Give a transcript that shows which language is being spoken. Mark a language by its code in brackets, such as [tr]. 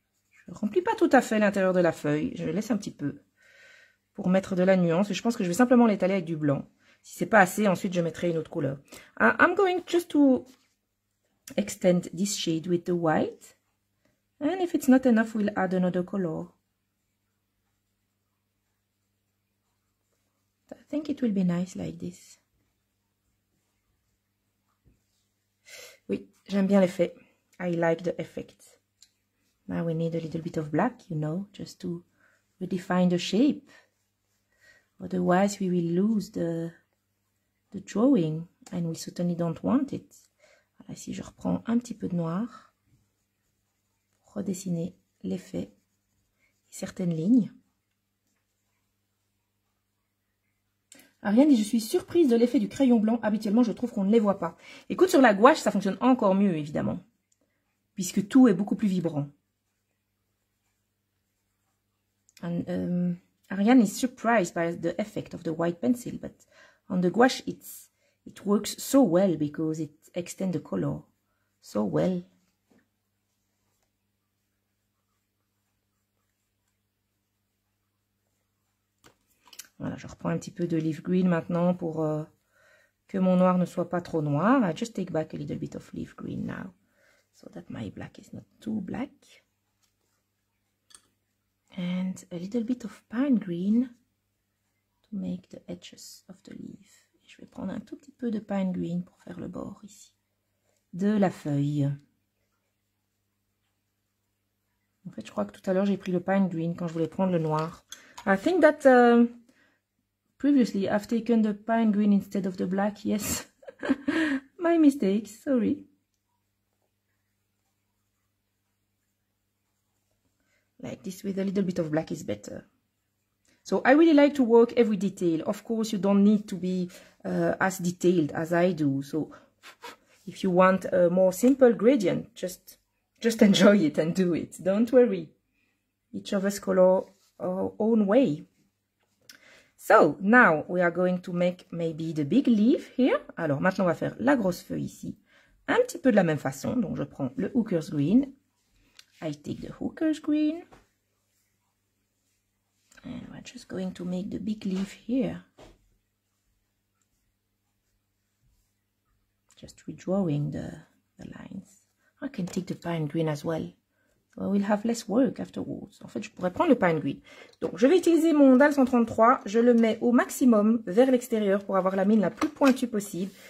[fr] Je remplis pas tout à fait l'intérieur de la feuille. Je laisse un petit peu pour mettre de la nuance. Je pense que je vais simplement l'étaler avec du blanc. Si c'est pas assez, ensuite, je mettrai une autre couleur. [en] I'm going just to extend this shade with the white. And if it's not enough, we'll add another color. I think it will be nice like this. [fr] Oui, j'aime bien l'effet. [en] I like the effect. Now we need a little bit of black, you know, just to redefine the shape. Otherwise, we will lose the drawing and we certainly don't want it. [fr] Voilà, si je reprends un petit peu de noir, redessiner l'effet et certaines lignes. Ariane dit, je suis surprise de l'effet du crayon blanc. Habituellement, je trouve qu'on ne les voit pas. Écoute, sur la gouache, ça fonctionne encore mieux, évidemment. Puisque tout est beaucoup plus vibrant. [en] And, Ariane is surprised by the effect of the white pencil. But on the gouache, it works so well because it extends the color so well. [fr] Voilà, je reprends un petit peu de leaf green maintenant pour que mon noir ne soit pas trop noir. [en] I just take back a little bit of leaf green now, so that my black is not too black. and a little bit of pine green to make the edges of the leaf. [fr] Et je vais prendre un tout petit peu de pine green pour faire le bord ici de la feuille. En fait, je crois que tout à l'heure, j'ai pris le pine green quand je voulais prendre le noir. [en] I think that previously I've taken the pine green instead of the black. Yes, my mistake, sorry. Like this with a little bit of black is better. So I really like to work every detail. Of course, you don't need to be as detailed as I do. So if you want a more simple gradient, just enjoy it and do it. Don't worry. Each of us color our own way. So now we are going to make maybe the big leaf here. [fr] Alors maintenant on va faire la grosse feuille ici. Un petit peu de la même façon. Donc je prends le hooker's green. [en] I take the hooker's green. And we're just going to make the big leaf here. Just redrawing the lines. I can take the pine green as well. So I will have less work afterwards. [fr] En fait, je pourrais prendre le pine green. Donc, je vais utiliser mon dalle 133. Je le mets au maximum vers l'extérieur pour avoir la mine la plus pointue possible.